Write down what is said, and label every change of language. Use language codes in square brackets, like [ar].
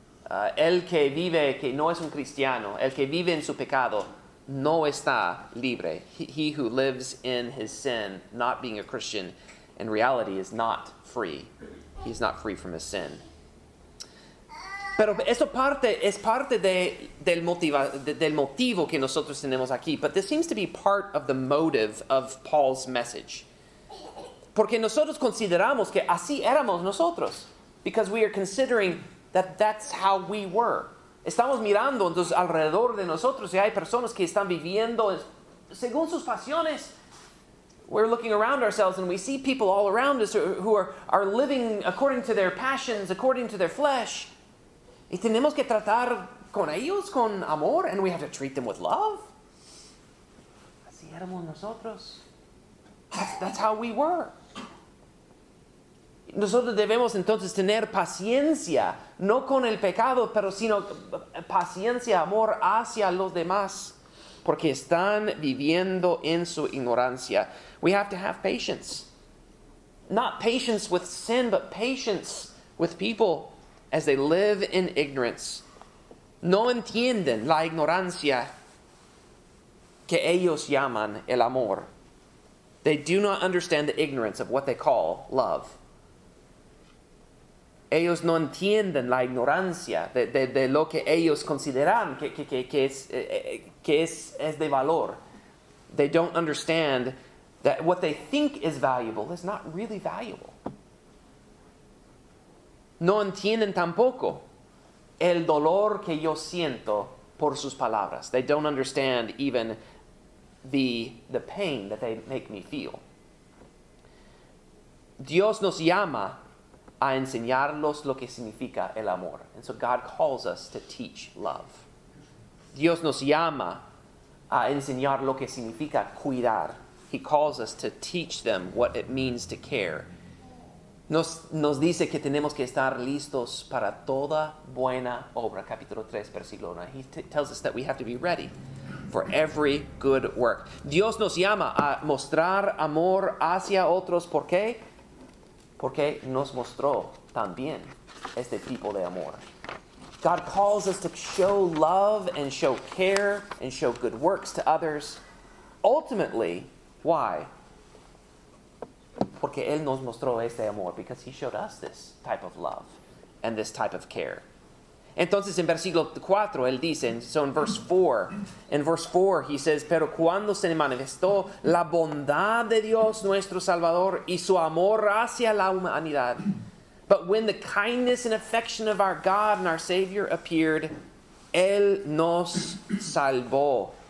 [es] El que vive, que no es un cristiano, el que vive en su pecado, no está libre. [en] He who lives in his sin, not being a Christian, in reality is not free. He's not free from his sin. [es] Pero esto parte es parte de del motiva, del motivo que nosotros tenemos aquí. [en] But this seems to be part of the motive of Paul's message. [es] Porque nosotros consideramos que así éramos nosotros. [en] Because we are considering that that's how we were. [es] Estamos mirando entonces alrededor de nosotros y hay personas que están viviendo según sus pasiones. [en] We're looking around ourselves and we see people all around us who are living according to their passions, according to their flesh. [es] Y tenemos que tratar con ellos con amor, [en] and we have to treat them with love. [es] Así éramos nosotros. [en] That's how we were. [es] Nosotros debemos entonces tener paciencia, no con el pecado, pero sino paciencia, amor hacia los demás, porque están viviendo en su ignorancia. [en] We have to have patience. Not patience with sin, but patience with people as they live in ignorance. [es] No entienden la ignorancia que ellos llaman el amor. [en] They do not understand the ignorance of what they call love. [es] Ellos no entienden la ignorancia de lo que ellos consideran que es de valor. [en] They don't understand that what they think is valuable is not really valuable. [es] No entienden tampoco el dolor que yo siento por sus palabras. [en] They don't understand even the pain that they make me feel. [es] Dios nos llama a enseñarlos lo que significa el amor. [en] And so God calls us to teach love. [es] Dios nos llama a enseñar lo que significa cuidar. [en] He calls us to teach them what it means to care. [es] Nos dice que tenemos que estar listos para toda buena obra. Capítulo 3, versículo 1. [en] He tells us that we have to be ready for every good work. [es] Dios nos llama a mostrar amor hacia otros. ¿Por qué? Porque nos mostró también este tipo de amor. [en] God calls us to show love and show care and show good works to others. Ultimately, why? [es] Porque Él nos mostró este amor. [en] Because He showed us this type of love and this type of care. [es] Entonces, en versículo 4, Él dice, [en] so in verse 4, He says, [es] pero cuando se manifestó la bondad de Dios nuestro Salvador y su amor hacia la humanidad. [en] But when the kindness and affection of our God and our Savior appeared, [es] Él nos salvó.